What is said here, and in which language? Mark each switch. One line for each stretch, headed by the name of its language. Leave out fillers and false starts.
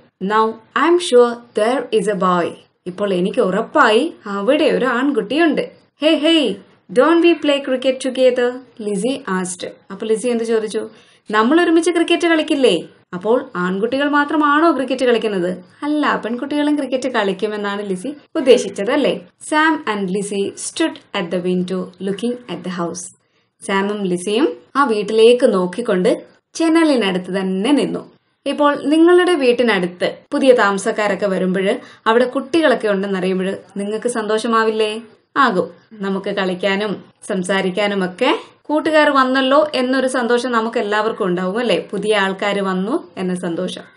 English: Now I'm sure there is a boy.
Malayalam: ഇപ്പോൾ എനിക്ക് ഉറപ്പായി അവിടെ ഒരു ആൺകുട്ടിയുണ്ട്.
English: Hey, hey, don't we play cricket together? Lizzy asked.
Malayalam: അപ്പോൾ ലിസി എന്ത് ചോദിച്ചു? നമ്മൾ ഒരുമിച്ച് ക്രിക്കറ്റ് കളിക്കില്ലേ? അപ്പോൾ ആൺകുട്ടികൾ മാത്രമാണോ ക്രിക്കറ്റ് കളിക്കുന്നത്? അല്ല, പെൺകുട്ടികളും ക്രിക്കറ്റ് കളിക്കുമെന്നാണ് ലിസി ഉദ്ദേശിച്ചത് അല്ലേ.
English: Sam and Lizzy stood at the window looking at the house.
Malayalam: സാമും ലിസിയും ആ വീട്ടിലേക്ക് നോക്കിക്കൊണ്ട് ജനലിനടുത്ത് തന്നെ നിന്നു. ഇപ്പോൾ നിങ്ങളുടെ വീട്ടിനടുത്ത് പുതിയ താമസക്കാരൊക്കെ വരുമ്പോൾ അവിടെ കുട്ടികളൊക്കെ ഉണ്ടെന്നറിയുമ്പോൾ നിങ്ങൾക്ക് സന്തോഷമാവില്ലേ? ആകും. നമുക്ക് കളിക്കാനും സംസാരിക്കാനും ഒക്കെ കൂട്ടുകാർ വന്നല്ലോ എന്നൊരു സന്തോഷം നമുക്ക് എല്ലാവർക്കും ഉണ്ടാവും അല്ലേ, പുതിയ ആൾക്കാർ വന്നു എന്ന സന്തോഷം.